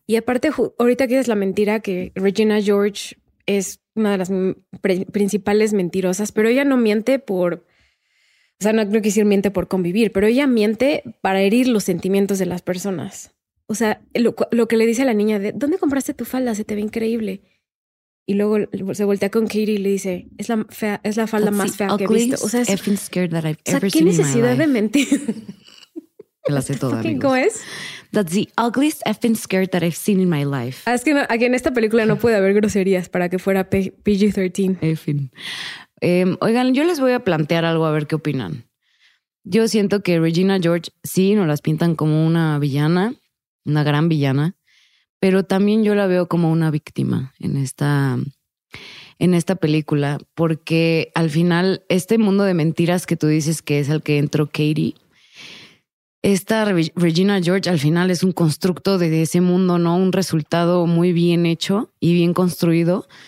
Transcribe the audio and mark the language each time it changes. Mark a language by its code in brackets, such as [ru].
[es] Y aparte, ahorita que es la mentira, que Regina George es una de las principales mentirosas, pero ella no miente por, o sea, no quiero decir miente por convivir, pero ella miente para herir los sentimientos de las personas. O sea, lo que le dice a la niña de ¿dónde compraste tu falda? Se te ve increíble. Y luego se voltea con Katie y le dice, es la falda más fea que he visto. O sea, ¿qué necesidad de mentir? La sé toda, amigos. ¿Cómo es? [en] That's the ugliest effing skirt that I've seen in my life. [es] Es que no, aquí en esta película no puede haber groserías para que fuera PG-13. [en] Effing. [es] Oigan, yo les voy a plantear algo a ver qué opinan. Yo siento que Regina George, sí, nos las pintan como una villana, una gran villana, pero también yo la veo como una víctima en esta película, porque al final este mundo de mentiras que tú dices que es al que entró Katie, esta Regina George al final es un constructo de ese mundo, ¿no? Un resultado muy bien hecho y bien construido